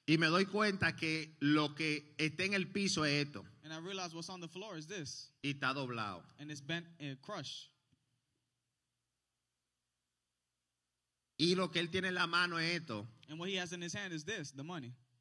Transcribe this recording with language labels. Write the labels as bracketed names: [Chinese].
[Spanish] Y me doy cuenta que lo que está en el piso es esto. [English] And I realize what's on the floor is this. [Spanish] Y está doblado. [English] And it's bent and crushed. [Spanish] Y lo que él tiene en la mano es esto. [English] And what he has in his hand is this, the money.